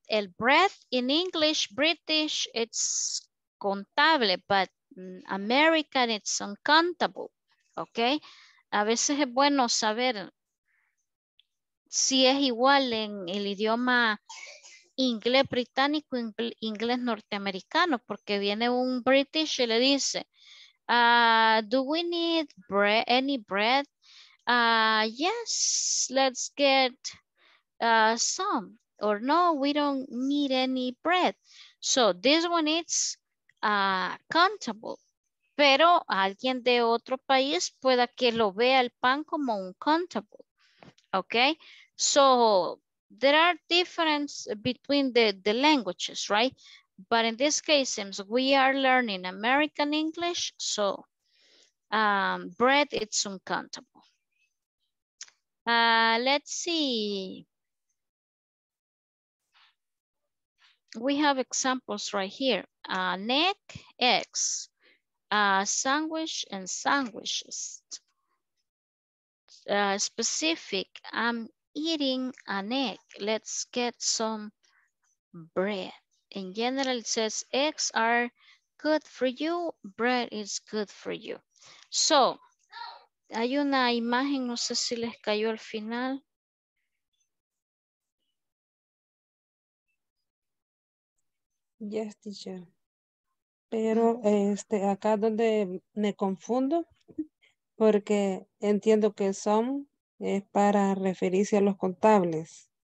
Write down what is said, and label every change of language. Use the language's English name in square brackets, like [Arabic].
[English] El bread in English, British, it's contable, but American, it's uncountable, ¿ok? [Spanish] A veces es bueno saber si es igual en el idioma inglés británico, inglés norteamericano, porque viene un british y le dice, [English] do we need any bread? Yes, let's get some. Or no, we don't need any bread. So this one is countable. [Spanish] Pero alguien de otro país pueda que lo vea el pan como un countable. Okay? So [English] there are differences between the languages, right? But in this case, since we are learning American English, so bread, it's uncountable. Let's see. We have examples right here. Neck, eggs, sandwich, and sandwiches. Specific, I'm eating an egg. Let's get some bread. In general, it says eggs are good for you, bread is good for you. [Spanish] So, hay una imagen, no sé si les cayó al final. [English] Yes, teacher. [Spanish] Pero este, acá donde me confundo, porque entiendo que son es para referirse a los contables.